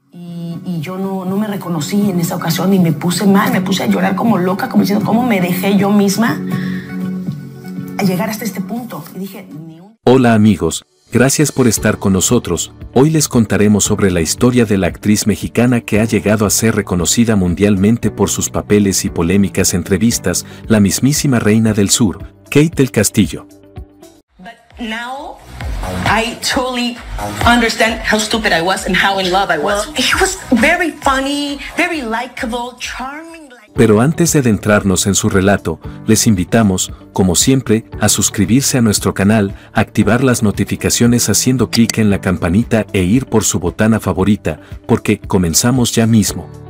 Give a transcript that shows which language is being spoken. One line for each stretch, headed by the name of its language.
Spanish: y yo no me reconocí en esa ocasión y me puse mal, me puse a llorar como loca, como diciendo, ¿cómo me dejé yo misma a llegar hasta este punto? Y dije, ni un... Hola amigos, gracias por estar con nosotros. Hoy les contaremos sobre la historia de la actriz mexicana que ha llegado a ser reconocida mundialmente por sus papeles y polémicas entrevistas, la mismísima reina del sur, Kate del Castillo.
English: But now I totally understand how stupid I was and how in love I was. He was very funny, very likable, charming.
Spanish: Pero antes de adentrarnos en su relato, les invitamos, como siempre, a suscribirse a nuestro canal, activar las notificaciones haciendo clic en la campanita e ir por su botana favorita, porque comenzamos ya mismo.